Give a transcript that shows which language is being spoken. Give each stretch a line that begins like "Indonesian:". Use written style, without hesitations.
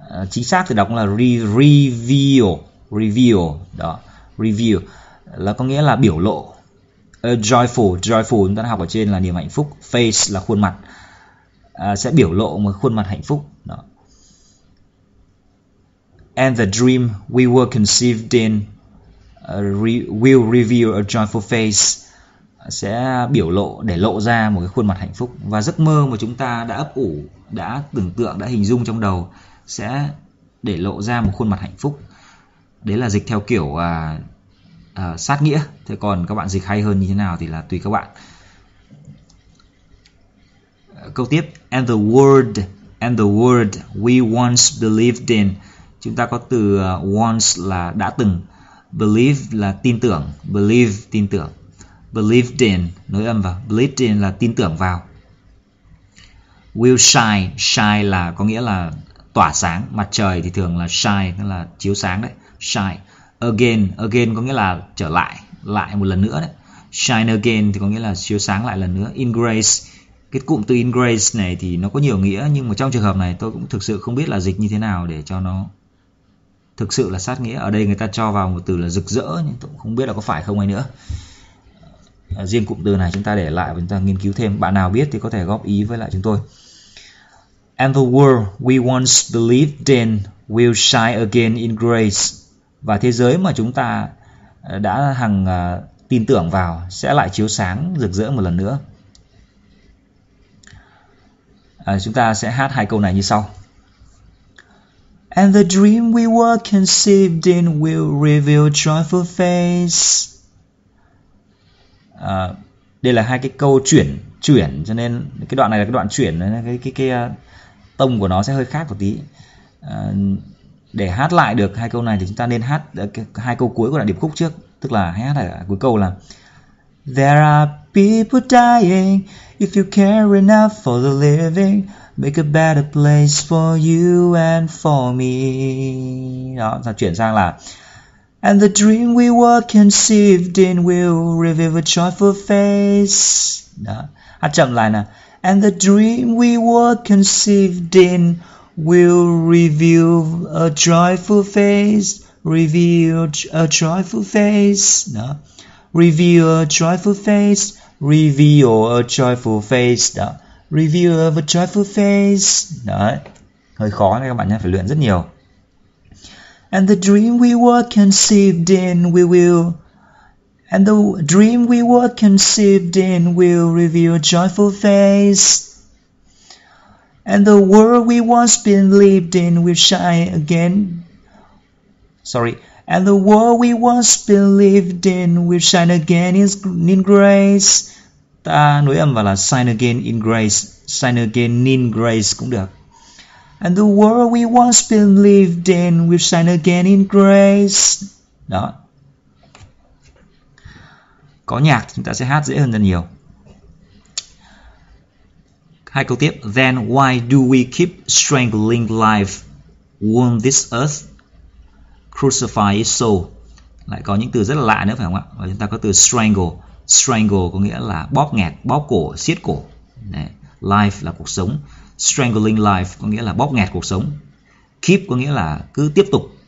Vietnamese: Chính xác thì đọc là reveal. Reveal. Đó. Reveal. Là có nghĩa là biểu lộ. Joyful. Joyful chúng ta đã học ở trên là niềm hạnh phúc. Face là khuôn mặt. Sẽ biểu lộ một khuôn mặt hạnh phúc. Đó.
English: And the dream we were conceived in will reveal a joyful face.
Vietnamese: Sẽ biểu lộ, để lộ ra một cái khuôn mặt hạnh phúc. Và giấc mơ mà chúng ta đã ấp ủ, đã tưởng tượng, đã hình dung trong đầu sẽ để lộ ra một khuôn mặt hạnh phúc. Đấy là dịch theo kiểu sát nghĩa. Thế còn các bạn dịch hay hơn như thế nào thì là tùy các bạn. Câu tiếp.
English: And the word we once believed in.
Vietnamese: Chúng ta có từ once là đã từng. Believe là tin tưởng. Believe, tin tưởng. Believed in, nối âm vào. Believed in là tin tưởng vào. Will shine. Shine là có nghĩa là tỏa sáng. Mặt trời thì thường là shine, tức là chiếu sáng đấy. Shine. Again. Again có nghĩa là trở lại. Lại một lần nữa đấy. Shine again thì có nghĩa là chiếu sáng lại lần nữa. In grace. Cái cụm từ in grace này thì nó có nhiều nghĩa. Nhưng mà trong trường hợp này tôi cũng thực sự không biết là dịch như thế nào để cho nó thực sự là sát nghĩa. Ở đây người ta cho vào một từ là rực rỡ, nhưng tôi cũng không biết là có phải không hay nữa. Riêng cụm từ này chúng ta để lại và chúng ta nghiên cứu thêm. Bạn nào biết thì có thể góp ý với lại chúng tôi.
English: And the world we once believed in will shine again in grace.
Vietnamese: Và thế giới mà chúng ta đã hằng tin tưởng vào sẽ lại chiếu sáng rực rỡ một lần nữa. Chúng ta sẽ hát hai câu này như sau.
English: And the dream we were conceived in will reveal joyful face.
Vietnamese: Đây là hai cái câu chuyển cho nên cái đoạn này là cái đoạn chuyển, cái tông của nó sẽ hơi khác một tí. Để hát lại được hai câu này thì chúng ta nên hát hai câu cuối của đoạn điệp khúc trước, tức là hát lại cuối câu là
English: there are people dying, if you care enough for the living, make a better place for you and for me.
Vietnamese: Đó, ta chuyển sang là
English: and the dream we were conceived in will reveal a joyful face.
Vietnamese: Đó. Hát chậm lại nè.
English: And the dream we were conceived in will reveal a joyful face. Reveal a joyful face. Đó. Reveal a joyful face. Reveal a joyful face. Đó. Reveal a joyful face. Đó.
Vietnamese: Hơi khó này các bạn nhé, phải luyện rất nhiều.
English: And the dream we were conceived in we will and the dream we were conceived in will reveal a joyful face. And the world we once believed in will shine again. Sorry. And the world we once believed in will shine again in grace.
Vietnamese: Ta nối âm vào là
English: shine again in grace.
Vietnamese: Shine again in grace cũng được.
English: And the world we once believed in will shine again in grace.
Vietnamese: Đó. Có nhạc chúng ta sẽ hát dễ hơn rất nhiều. Hai câu tiếp.
English: Then why do we keep strangling life? Won't this earth crucify its soul?
Vietnamese: Lại có những từ rất là lạ nữa phải không ạ? Và chúng ta có từ strangle. Strangle có nghĩa là bóp nghẹt, bóp cổ, siết cổ. Life là cuộc sống. Strangling life có nghĩa là bóp nghẹt cuộc sống. Keep có nghĩa là cứ tiếp tục.